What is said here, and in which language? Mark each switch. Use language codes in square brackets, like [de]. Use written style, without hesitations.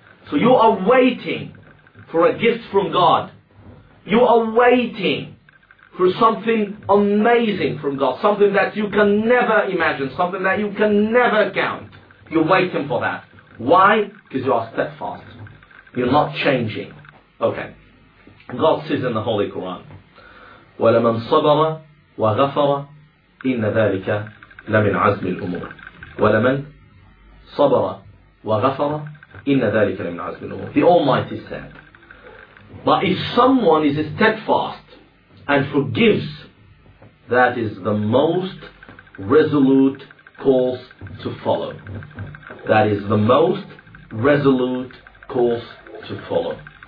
[en] So you are waiting for a gift from God. You are waiting for something amazing from God. Something that you can never imagine. Something that you can never count. You're waiting for that. Why? Because you are steadfast. You're not changing. Okay. God says in the Holy Quran, [ar] وَلَمَنْ صَبَرَ وَغَفَرَ إِنَّ ذَلِكَ لَمِنْ عَزْمِ الْأُمُورِ وَلَمَنْ صَبَرَ وَغَفَرَ إِنَّ ذَلِكَ لَمِنْ عَزْمِ الْأُمُورِ. [en] The Almighty said, but if someone is steadfast and forgives, that is the most resolute course to follow. That is the most resolute course to follow.